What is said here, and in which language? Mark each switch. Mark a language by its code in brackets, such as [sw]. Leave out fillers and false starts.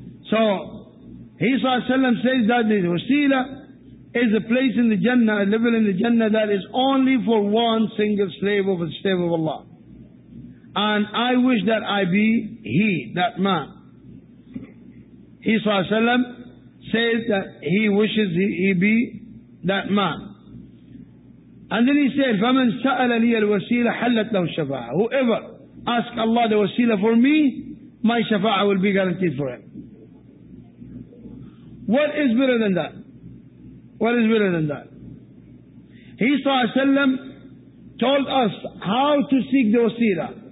[en] So, he Sallallahu Alaihi Wasallam says that the wasila is a place in the Jannah, a level in the Jannah that is only for one single slave of the slave of Allah. And I wish that I be he, that man. He, Sallallahu Alaihi Wasallam, says that he wishes he be that man. And then he said, [ar] فَمَنْ سَأَلَ لِيَ الْوَسِيلَ حَلَّتْ لَهُ الشَّفَاعَةُ. [en] Whoever asks Allah the wasila for me, my shafa'ah will be guaranteed for him. What is better than that? What is better than that? He, Sallallahu Alaihi Wasallam, told us how to seek the wasila.